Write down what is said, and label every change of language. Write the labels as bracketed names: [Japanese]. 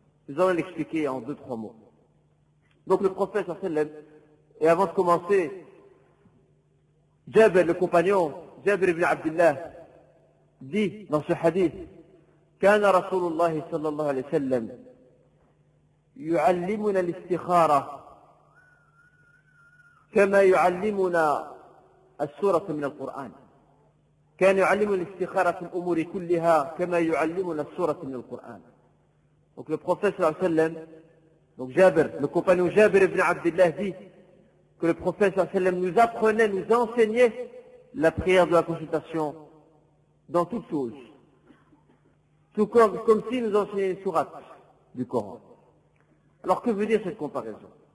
[French] Nous allons l'expliquer en deux, trois mots. Donc le prophète, sallallahu alayhi wa sallam, et avant de commencer, Jabir, le compagnon, Jabir ibn Abdullah, dit dans ce hadith, [Arabic] كان رسول الله صلى الله عليه وسلم يعلمنا الاستخارة كما يعلمنا السورة من القرآن. كان يعلمنا الاستخارة في الأمور كلها كما يعلمنا السورة من القرآن. [French] Donc le prophète صلى الله عليه وسلم, donc Jabir, le compagnon Jabir ibn Abdullah dit que le prophète صلى الله عليه وسلم nous apprenait, nous enseignait la prière de la consultation dans toutes choses. Tout comme s'il nous enseignait une sourate du Coran. Alors que veut dire cette comparaison?